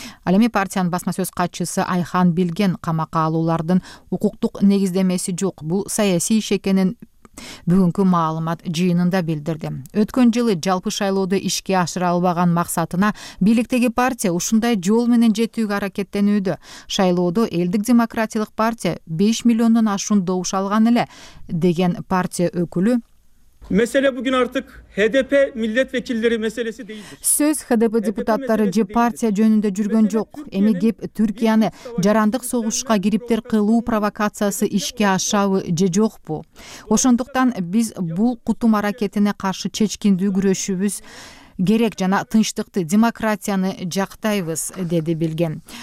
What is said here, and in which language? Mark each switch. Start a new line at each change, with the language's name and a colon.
Kyrgyz: Ал эми партиянын басма сөз катчысы Айхан Билген камакка алуулардын укуктук негиздемеси жок, бул саясий иш экенин бүгүнкү маалымат жыйынында билдирди. Өткөн жылы жалпы шайлоодо ишке ашыра албаган максатына бийликтеги партия ушундай жол менен жетүүгө аракеттенүүдө. Шайлоодо Элдик Демократиялык партия 5,000,000 ашуун добуш алган эле деген партия өкүлү.
Turkish: Mesele bugün artık HDP milletvekilleri meselesi değildir.
Kyrgyz: Söz HDP депутаттары же партия жөнүндө жүргөн жок. Эми кеп Түркияны жарандык согушка кириптер кылуу провокациясы ишке ашабы же жокпу? Ошондуктан биз бул кутум аракетине каршы чечкиндүү күрөшүбүз керек жана тынчтыкты, демократияны жактайбыз деди Билген.